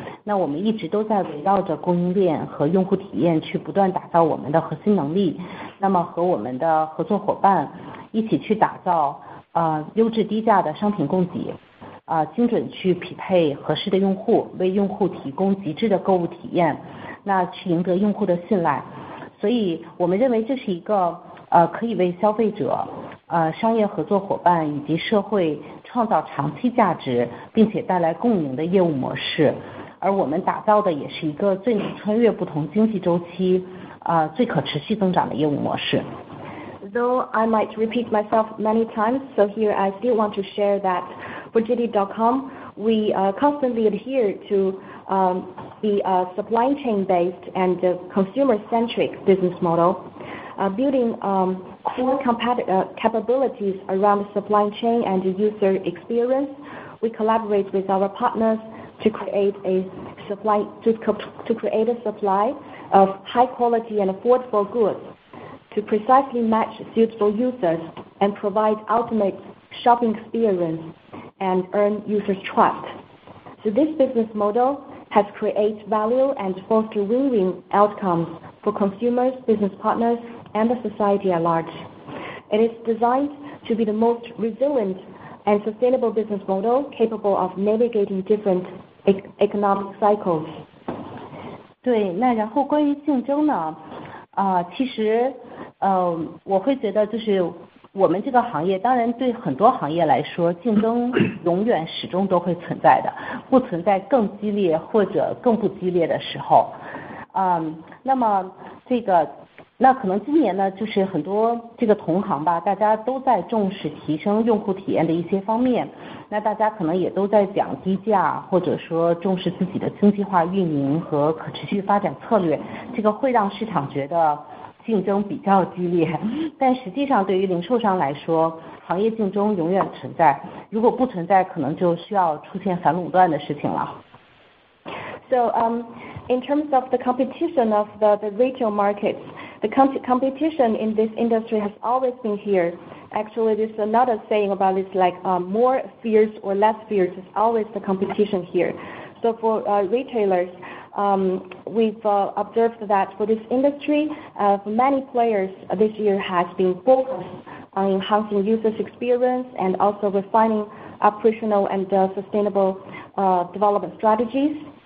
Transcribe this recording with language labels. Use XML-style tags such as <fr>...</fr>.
<zh>那我们一直都在围绕着供应链和用户体验去不断打造我们的核心能力，那么和我们的合作伙伴一起去打造优质低价的商品供给，精准去匹配合适的用户，为用户提供极致的购物体验，那去赢得用户的信赖。所以我们认为这是一个可以为消费者商业合作伙伴以及社会创造长期价值并且带来共赢的业务模式，而我们打造的也是一个最能穿越不同经济周期最可持续增长的业务模式。</zh> <en>Though I might repeat myself many times, so here I still want to share that for JD.com, we constantly adhere to the supply chain based and consumer centric business model, building core capabilities around supply chain and user experience. We collaborate with our partners to create a supply of high quality and affordable goods to precisely match suitable users and provide ultimate shopping experience and earn users' trust. So this business model has created value and fostered win-win outcomes for consumers, business partners, and the society at large. It is designed to be the most resilient and sustainable business model capable of navigating different economic cycles.</en> <zh>对，那然后关于竞争呢，其实，我会觉得就是我们这个行业，当然对很多行业来说，竞争永远始终都会存在的，不存在更激烈或者更不激烈的时候。那么这个，那可能今年呢，就是很多这个同行吧，大家都在重视提升用户体验的一些方面，那大家可能也都在讲低价，或者说重视自己的经济化运营和可持续发展策略，这个会让市场觉得竞争比较激烈，但实际上对于零售商来说，行业竞争永远存在，如果不存在，可能就需要出现反垄断的事情了。</zh> <en>So, in terms of the competition of the retail markets, the competition in this industry has always been here. Actually, there's another saying about it's like more fierce or less fierce is always the competition here. So for retailers, we've observed that for this industry, for many players this year has been focused on enhancing users' experience and also refining operational and sustainable development strategies.</en>